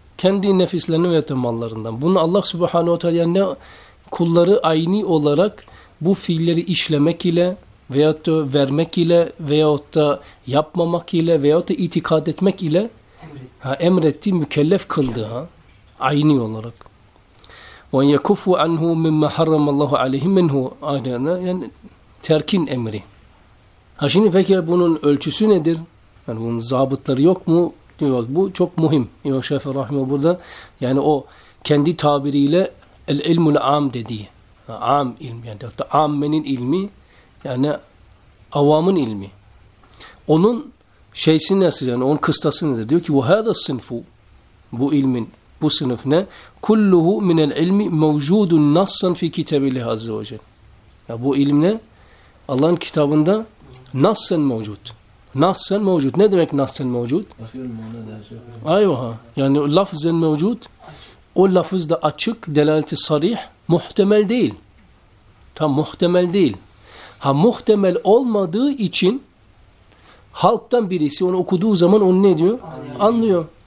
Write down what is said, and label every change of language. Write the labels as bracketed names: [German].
[Turkish] Kendi nefislerini ve mallarından. Bunu Allah subhanehu ve teala yani kulları aynı olarak bu fiilleri işlemek ile veyahut da vermek ile veyahut da yapmamak ile veyahut da itikad etmek ile emretti, mükellef kıldı. Ha? Aynı olarak. [Arabic] وَاَنْ يَكُفُوا عَنْهُ مِمَّا حَرَّمَ اللّٰهُ عَلَيْهِمْ مِنْهُ [Turkish] Aynen, yani terkin emri. Ha şimdi peki bunun ölçüsü nedir? Yani bunun zabıtları yok mu? Diyor, bu çok mühim. İmam Şafii Rahimahullah burada yani o kendi tabiriyle el-ilmul am dediği. Am ilmi yani hatta ammenin ilmi yani avamın ilmi. Onun şeysi nasıl yani onun kıstası nedir? Diyor ki [Arabic] وَهَذَا الصِّنْفُ [Turkish] bu ilmin bu sınıf ne? [Arabic] كُلُّهُ مِنَ الْعِلْمِ مَوْجُودٌ نَصًّا فِي كِتَبِ اللّٰهِ عَزَّ وَجَلَّ [Turkish] Ya bu ilim ne? Allah'ın kitabında nassen mevcut. Nassen mevcut. Ne demek nassen mevcut? Ayvah. Yani lafzen mevcut. O lafız da açık, delaleti sarih. Muhtemel değil. Tam muhtemel değil. Ha muhtemel olmadığı için halktan birisi onu okuduğu zaman onu ne diyor? Anlıyor.